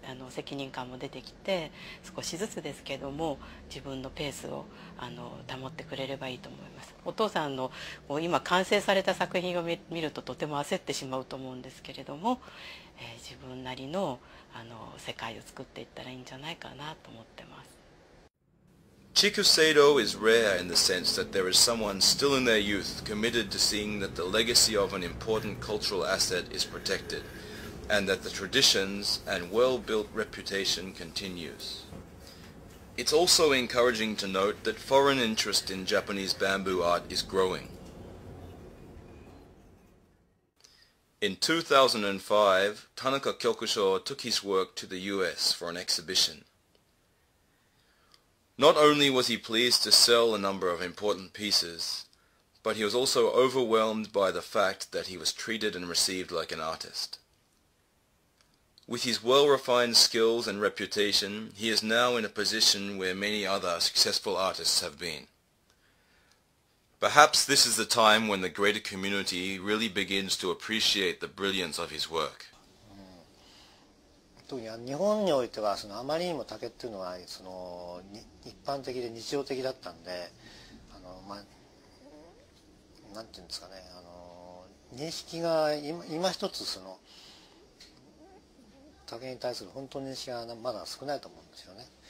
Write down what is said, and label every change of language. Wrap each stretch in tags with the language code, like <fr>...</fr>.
<ja>責任感も出てきて、少しずつですけども自分のペースを保ってくれればいいと思います。お父さんの今完成された作品を見るととても焦ってしまうと思うんですけれども、自分なりの世界を作っていったらいいんじゃないかなと思ってます。</ja> <en>Chikuseido is rare in the sense that there is someone still in their youth committed to seeing that the legacy of an important cultural asset is protectedand that the traditions and well-built reputation continues. It's also encouraging to note that foreign interest in Japanese bamboo art is growing. In 2005, Tanaka Kyokusho took his work to the US for an exhibition. Not only was he pleased to sell a number of important pieces, but he was also overwhelmed by the fact that he was treated and received like an artist. With his well-refined skills and reputation, he is now in a position where many other successful artists have been. Perhaps this is the time when the greater community really begins to appreciate the brilliance of his work.</en> <ja>日本においてはそのあまりにも竹っていうのはその一般的で日常的だったんで、なんていうんですかね、認識が今一つその竹に対する本当に認識がまだ少ないと思うんですよね。</ja>